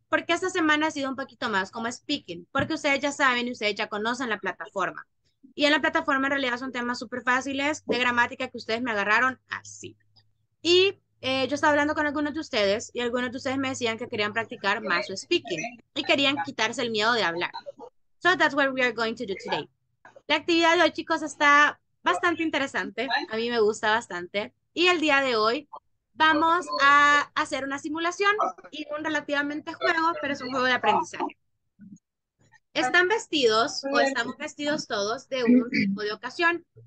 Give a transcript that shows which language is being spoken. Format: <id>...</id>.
<es>Porque esta semana ha sido un poquito más como speaking, porque ustedes ya saben y ustedes ya conocen la plataforma. Y en la plataforma en realidad son temas súper fáciles de gramática que ustedes me agarraron así. Y yo estaba hablando con algunos de ustedes y algunos de ustedes me decían que querían practicar más su speaking y querían quitarse el miedo de hablar.</es> <en>So that's what we are going to do today.</en> <es>La actividad de hoy, chicos, está bastante interesante. A mí me gusta bastante. Y el día de hoy vamos a hacer una simulación y un relativamente juego, pero es un juego de aprendizaje. Están vestidos, o estamos vestidos todos, de un tipo de ocasión.</es>